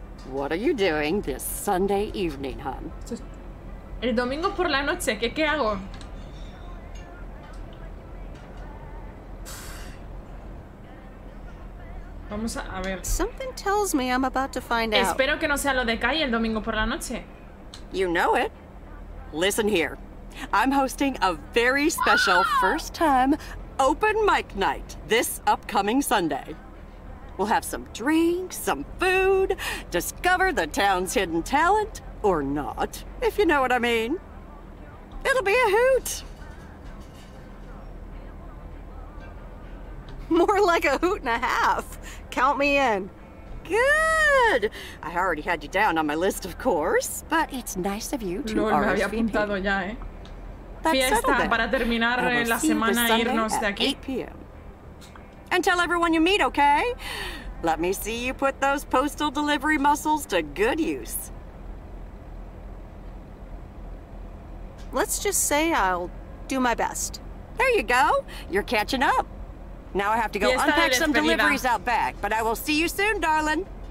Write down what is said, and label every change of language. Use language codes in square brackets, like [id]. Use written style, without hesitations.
[en] What are you doing this Sunday evening, hon? [es] El domingo por la noche, ¿qué hago? Vamos a ver. [en] Something tells me I'm about to find out. [es] Espero que no sea lo de Kai el domingo por la noche. [en] You know it. Listen here. I'm hosting a very special first-time open mic night this upcoming Sunday. We'll have some drinks, some food, discover the town's hidden talent, or not, if you know what I mean. It'll be a hoot. More like a hoot and a half. Count me in. Good! I already had you down on my list, of course, but it's nice of you to RSVP. [es] Lord, me había apuntado ya, eh. fiesta para terminar la semana e irnos de aquí. [en] And tell everyone you meet, okay? Let me see you put those postal delivery muscles to good use. Let's just say I'll do my best. There you go. You're catching up. Now I have to go unpack some deliveries out back, but I will see you soon, darling.